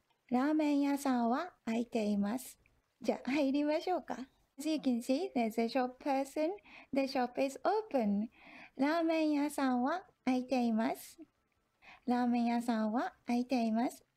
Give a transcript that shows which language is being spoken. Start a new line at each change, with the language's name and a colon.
Japanese: ラーメン屋さんは開いています。じゃあ入りましょうか。
English: As you can see, there's a shop person. The shop is open.
Japanese: ラーメン屋さんは開いています。ラーメン屋さんは開いています。